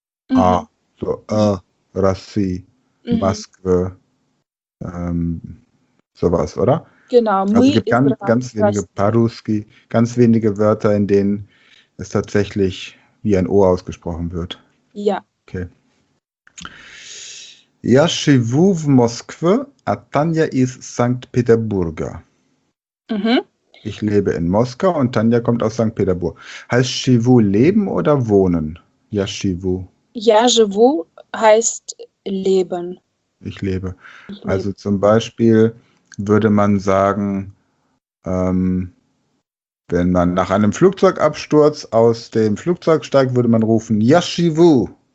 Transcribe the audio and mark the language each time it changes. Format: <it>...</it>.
<de>Mhm. A. So, Rassi, mhm. Maske, sowas, oder? Genau. Also es gibt ganz wenige Paruski, ganz wenige Wörter, in denen es tatsächlich wie ein O ausgesprochen wird. Ja. Okay.</de> <ru>Я живу в Москве, а Таня из Санкт-Петербурга.</ru> <de>Mhm. Ich lebe in Moskau und Таня kommt aus Санкт-Петербург. Heißt живу leben oder wohnen?</de> <ru>Я живу. Я живу</ru> <de>heißt leben. Ich lebe. Also zum Beispiel würde man sagen, wenn man nach einem Flugzeugabsturz aus dem Flugzeug steigt, würde man rufen,</de> <ru>Я живу.</ru>